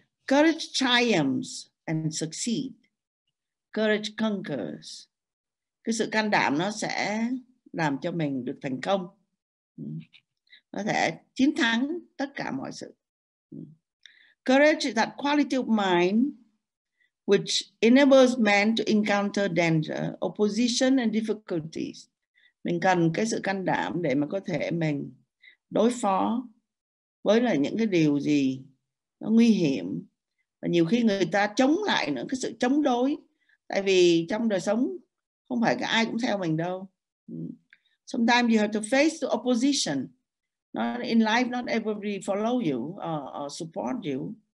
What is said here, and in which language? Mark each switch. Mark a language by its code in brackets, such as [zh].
[en] Courage triumphs and succeed. Courage conquers. [vi] Cái sự can đảm nó sẽ làm cho mình được thành công. Nó sẽ chiến thắng tất cả mọi sự. Courage is that quality of mind which enables men to encounter danger, opposition and difficulties. Mình cần cái sự can đảm để mà có thể mình đối phó với là những cái điều gì nó nguy hiểm. Và nhiều khi người ta chống lại nữa, cái sự chống đối. Tại vì trong đời sống không phải ai cũng theo mình đâu. [en] Sometimes you have to face the opposition. Not in life, not everybody follow you or support you.